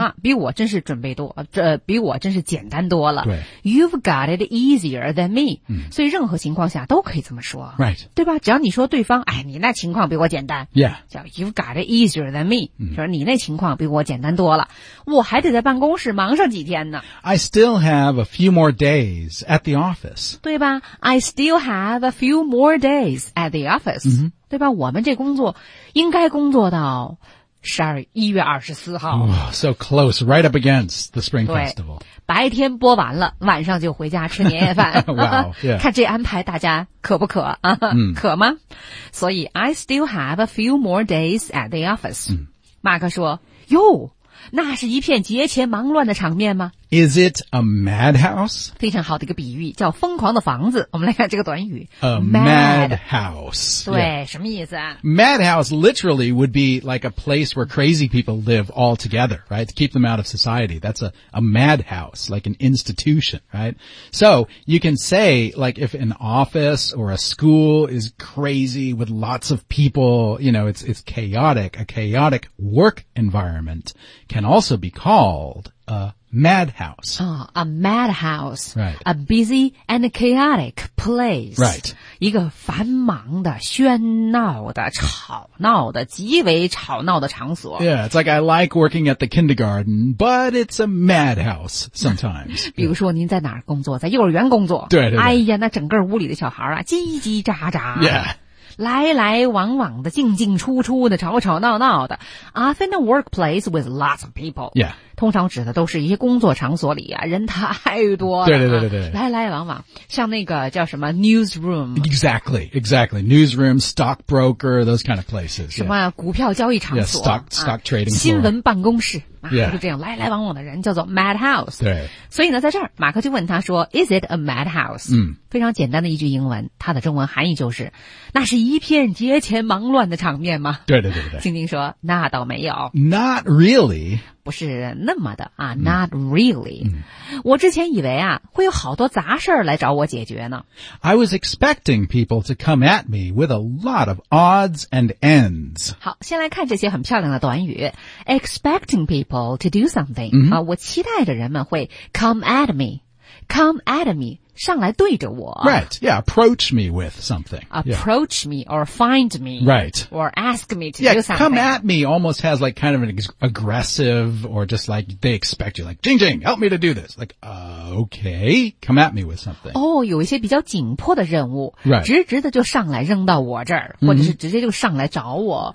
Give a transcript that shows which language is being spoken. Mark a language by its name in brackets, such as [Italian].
[Chinese] 啊比我真是准备多这比我真是简单多了。对。 [English] You've got it easier than me.、 Mm-hmm. [Chinese] 所以任何情况下都可以这么说。 [English] Right. [Chinese] 对吧只要你说对方哎你那情况比我简单。 [English] Yeah. 叫 You've got it easier than me.、 Mm-hmm. [Chinese] 说你那情况比我简单多了。我还得在办公室忙上几天呢。 [English] I still have a few more days at the office. 对吧 ?I still have a few more days at the office.、 Mm-hmm. [Chinese] 对吧我们这工作应该工作到12月24号。 [English] Oh, so close, right up against the spring festival. [Chinese] 白天播完了晚上就回家吃年夜饭。 [English] wow, yeah. [Chinese] 看这安排大家可不可、啊 可吗所以 [English] I still have a few more days at the office.、 Mm. [Chinese] 马克说哟那是一片节前忙乱的场面吗 [English] Is it a madhouse? [Chinese] 非常好的一个比喻，叫疯狂的房子。我们来看这个短语。 [English] A madhouse. [Chinese] 对、yeah. 什么意思啊 [English] ?Madhouse literally would be like a place where crazy people live all together, right? To keep them out of society. That's a madhouse, like an institution, right? So, you can say, like, if an office or a school is crazy with lots of people, you know, it's chaotic. A chaotic work environment can also be called a madhouse. Oh, a madhouse. Right. A busy and chaotic place. Right. [Chinese] 一个繁忙的、喧闹的、吵闹的、极为吵闹的场所。 [English] Yeah, it's like I like working at the kindergarten, but it's a madhouse sometimes. [Chinese] 比如说您在哪儿工作？在幼儿园工作。对, 对, 对。哎呀，那整个屋里的小孩啊，叽叽喳喳。 [English] Yeah. [Chinese] 来来往往的进进出出的吵吵闹闹的 [English] Often a workplace with lots of people、 yeah. [Chinese] 通常指的都是一些工作场所里啊，人太多了、啊、对对对 对, 对来来往往像那个叫什么 newsroom [English] Exactly, exactly Newsroom, stockbroker, those kind of places [Chinese] 什么、 [English] yeah. [Chinese] 股票交易场所 [English] yeah, stock trading、 [Chinese] 啊、新闻办公室、啊 [English] yeah. [Chinese] 就是这样来来往往的人叫做 madhouse 对所以呢在这儿马克就问他说 [English] Is it a madhouse?、嗯 [Chinese] 非常简单的一句英文，它的中文含义就是，那是一片节前忙乱的场面吗？对对对对。晶晶说，那倒没有。 [English] Not really. [Chinese] 不是那么的啊、, [English] not really.、嗯、 [Chinese] 我之前以为啊，会有好多杂事儿来找我解决呢。 [English] I was expecting people to come at me with a lot of odds and ends. [Chinese] 好，先来看这些很漂亮的短语。 [English] Expecting people to do something.、嗯、 [Chinese] 啊，我期待着人们会 [English] come at me. Come at me, [Chinese] 上来对着我。 [English] Right, yeah, approach me with something. Approach、yeah. me or find me. Right. Or ask me to yeah, do something. Come at me almost has like kind of an aggressive or just like they expect you like, Jing Jing, help me to do this. Like,、okay, come at me with something. [Chinese] Oh, 有一些比较紧迫的任务、 [English] right. [Chinese] 直直的就上来扔到我这儿、 mm-hmm. 或者是直接就上来找我、